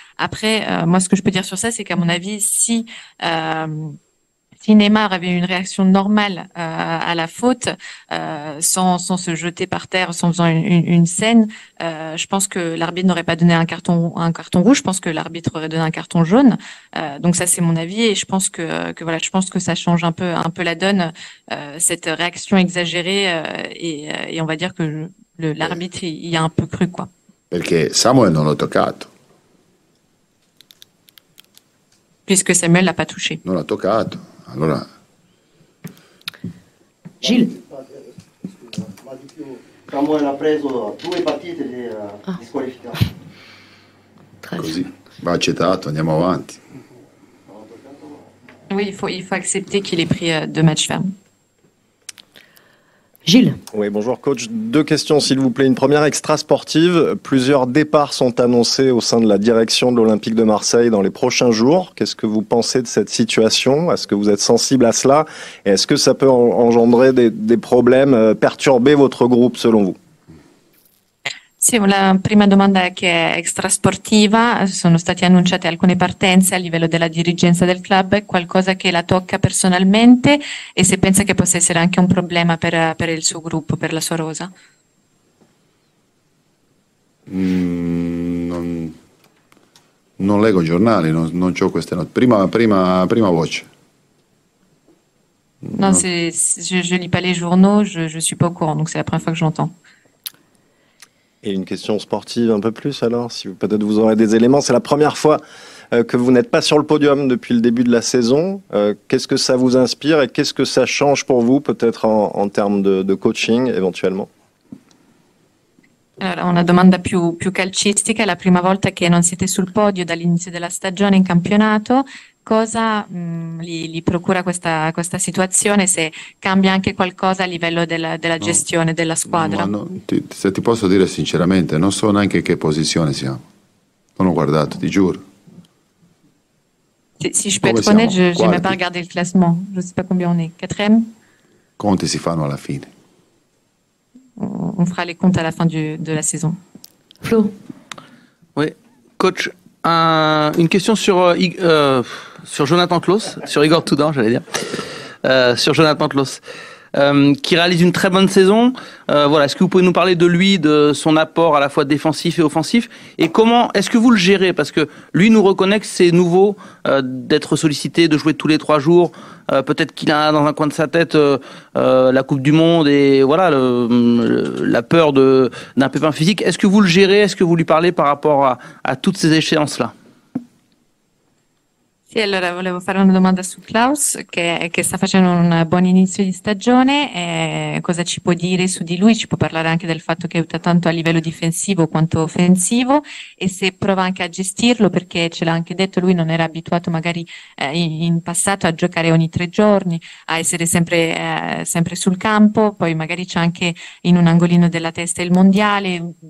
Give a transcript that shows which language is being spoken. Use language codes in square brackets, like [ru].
[fr] Après, moi, ce que je peux dire sur ça, c'est qu'à mon avis, si Neymar avait eu une réaction normale à la faute, sans se jeter par terre, sans faisant une scène, je pense que l'arbitre n'aurait pas donné un carton rouge. Je pense que l'arbitre aurait donné un carton jaune. Donc ça, c'est mon avis, et je pense que ça change un peu la donne, cette réaction exagérée, et on va dire que l'arbitre y a un peu cru, quoi. [it] Perché Samuel non l'ha toccato. [fr] Puisque Samuel l'a pas touché. [it] Non l'ha toccato. Allora. [fr] Gilles. [it] Ma di più, Samuel ha preso due partite di squalificato. Così, va accettato, andiamo avanti. [fr] Oui, il faut accepter qu'il ait pris deux matchs fermes. Gilles. Oui, bonjour coach. Deux questions s'il vous plaît. Une première extra-sportive. Plusieurs départs sont annoncés au sein de la direction de l'Olympique de Marseille dans les prochains jours. Qu'est-ce que vous pensez de cette situation? Est-ce que vous êtes sensible à cela? Et est-ce que ça peut engendrer des problèmes, perturber votre groupe selon vous? [it] Sì, la prima domanda che è extrasportiva, sono state annunciate alcune partenze a livello della dirigenza del club, qualcosa che la tocca personalmente e se pensa che possa essere anche un problema per il suo gruppo, per la sua rosa? Non leggo giornali, non c'ho queste note. Prima voce. [fr] Non, non. Je lis pas les journaux, je suis pas au courant, donc c'est la première fois que j'entends. Et une question sportive un peu plus alors, si peut-être vous aurez des éléments. C'est la première fois que vous n'êtes pas sur le podium depuis le début de la saison. Qu'est-ce que ça vous inspire et qu'est-ce que ça change pour vous, peut-être en termes de coaching éventuellement? [it] Allora, una domanda più calcistica. La prima volta che non siete sul podio dall'inizio della stagione in campionato, cosa li procura questa situazione? Se cambia anche qualcosa a livello della gestione della squadra? No, se ti posso dire sinceramente, non so neanche che posizione siamo. Non ho guardato, ti giuro. [fr] Si je peux être honnête, je n'ai même pas regardé le classement. Je ne sais pas combien on est. Quatrième? [it] Conti si fanno alla fine. [fr] On fera les comptes à la fin de la saison. Flo. Oui, coach, une question sur Jonathan Clauss, sur Igor Tudor, j'allais dire, sur Jonathan Clauss, qui réalise une très bonne saison. Voilà, est-ce que vous pouvez nous parler de lui, de son apport à la fois défensif et offensif, et comment est-ce que vous le gérez? Parce que lui nous reconnaît que c'est nouveau d'être sollicité, de jouer tous les trois jours. Peut-être qu'il a dans un coin de sa tête la Coupe du Monde et voilà la peur d'un pépin physique. Est-ce que vous le gérez? Est-ce que vous lui parlez par rapport à toutes ces échéances-là? [it] Sì, allora volevo fare una domanda su Klaus, che sta facendo un buon inizio di stagione. Cosa ci può dire su di lui? Ci può parlare anche del fatto che aiuta tanto a livello difensivo quanto offensivo, e se prova anche a gestirlo, perché ce l'ha anche detto, lui non era abituato magari in passato a giocare ogni tre giorni, a essere sempre sul campo, poi magari c'è anche in un angolino della testa il mondiale.